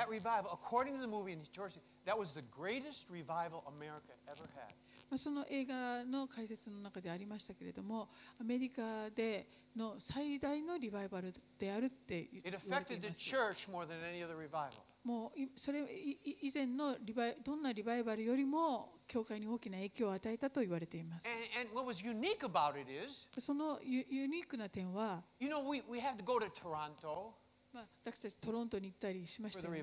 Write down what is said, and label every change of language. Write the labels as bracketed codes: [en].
[en] That revival, according to the movie in historicThat was the greatest revival America ever had. [ja] その映画の解説の中でありましたけれども、アメリカでの最大のリバイバルであるって言われています。 [en] It affected the church more than any other revival. [ja] もうそれ以前のどんなリバイバルよりも教会に大きな影響を与えたと言われています。 [en] And what was unique about it is, [ja] そのユニークな点は、 [en] You know, we had to go to Toronto. [ja] まあ、私たちトロントに行ったりしましたよね。